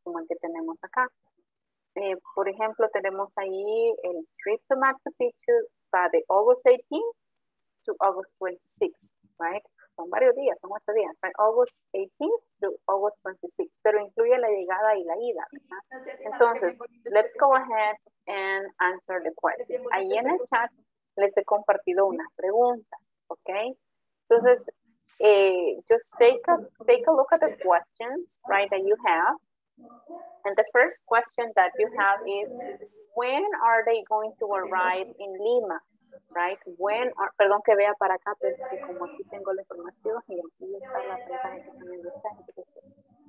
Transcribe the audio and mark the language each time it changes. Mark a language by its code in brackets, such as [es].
[es] Como el que tenemos acá. Por ejemplo, tenemos ahí el trip to Machu Picchu va de August 18 to August 26, right? Son varios días, son 8 días, right? August 18 to August 26, pero incluye la llegada y la ida, ¿verdad? [en] Entonces, let's go ahead and answer the question. [es] Ahí en el chat les he compartido unas preguntas, ¿ok? [en] Entonces, just take a look at the questions, right, that you have. And the first question that you have is, when are they going to arrive in Lima, right? [es] Perdón que vea para acá, pero que como aquí tengo la información y aquí está la pregunta que también está.